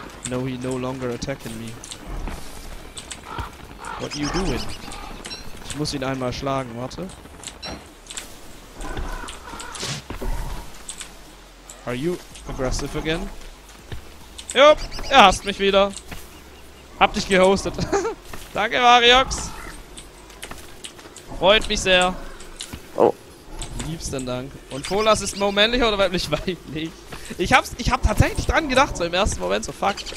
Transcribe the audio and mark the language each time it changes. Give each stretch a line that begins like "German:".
English: No, he no longer attacking me. What are you doing?
German: Ich muss ihn einmal schlagen, warte.
English: Are you aggressive again?
German: Jupp, er hasst mich wieder. Hab dich gehostet. Danke, Variox. Freut mich sehr. Oh. Liebsten Dank. Und Polas ist männlich oder weiblich? Ich hab tatsächlich dran gedacht, so im ersten Moment, so fuck.